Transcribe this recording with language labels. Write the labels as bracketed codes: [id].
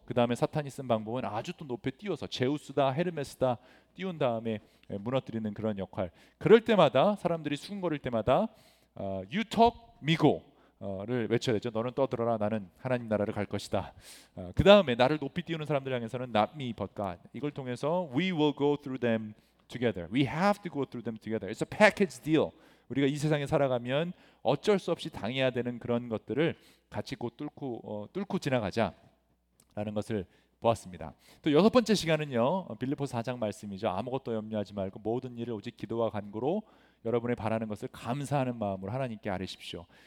[ko] 그 다음에 사탄이 쓴 방법은 아주 또 높이 띄워서 제우스다 헤르메스다 띄운 다음에 무너뜨리는 그런 역할. 그럴 때마다 사람들이 수군거릴 때마다 [en] You talk, me go [ko] 를 외쳐야 되죠. 너는 떠들어라, 나는 하나님 나라를 갈 것이다. 그 다음에 나를 높이 띄우는 사람들 향해서는 [en] Not me but God. 이걸 통해서 We will go through them together. We have to go through them together. It's a package deal. [ko] 우리가 이 세상에 살아가면 어쩔 수 없이 당해야 되는 그런 것들을 같이 곧 뚫고 지나가자라는 것을 보았습니다. 또 여섯 번째 시간은요, 빌립보서 4장 말씀이죠. 아무것도 염려하지 말고 모든 일을 오직 기도와 간구로 여러분의 바라는 것을 감사하는 마음으로 하나님께 아뢰십시오.